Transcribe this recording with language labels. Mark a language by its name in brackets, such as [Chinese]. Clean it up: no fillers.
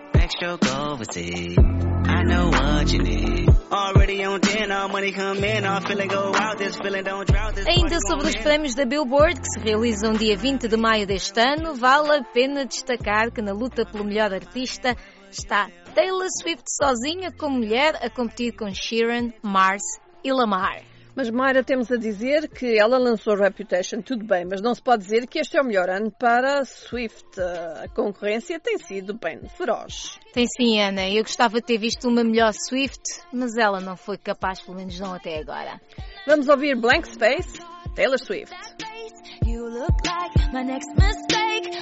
[English] Stroke overseas, I know what you need. Already on 10, all money come in, all feeling go out, this feeling don't drought. [Portuguese] Ainda sobre os prémios da Billboard, que se realizam dia 20 de maio deste ano, vale a pena destacar que na luta pelo melhor artista está Taylor Swift sozinha como mulher a competir com Sheeran, Mars e Lamar. Mas Mayra, temos a dizer que ela lançou Reputation, tudo bem, mas não se pode dizer que este é o melhor ano para Swift. A concorrência tem sido bem feroz. Tem sim, Ana. Eu gostava de ter visto uma melhor Swift, mas ela não foi capaz, pelo menos não até agora. Vamos ouvir Blank Space, Taylor Swift. [English] You look like my next mistake.